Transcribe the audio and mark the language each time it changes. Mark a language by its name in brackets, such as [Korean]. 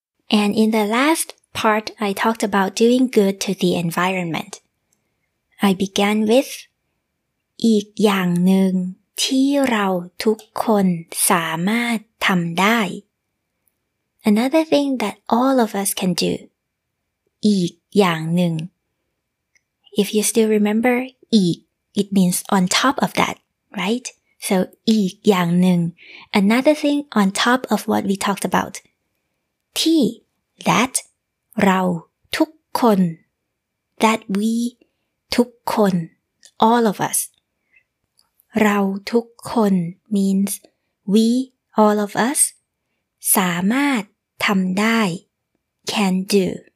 [English] And in the last part, I talked about doing good to the environment. I began with [Thai] อีกอย่างหนึ่งที่เราทุกคนสามารถทำได้ [English] Another thing that all of us can do. [Thai] อีกอย่างหนึ่ง [English] If you still remember, อีกIt means on top of that, right? So, [Thai] อีกอย่างหนึ่ง [English] another thing on top of what we talked about. ที that [Thai] เราทุกคน [English] that we [Thai] ทุกคน [English] all of us [Thai] เราทุกคน [English] means we all of us [Thai] สามารถทำได้ [English] can do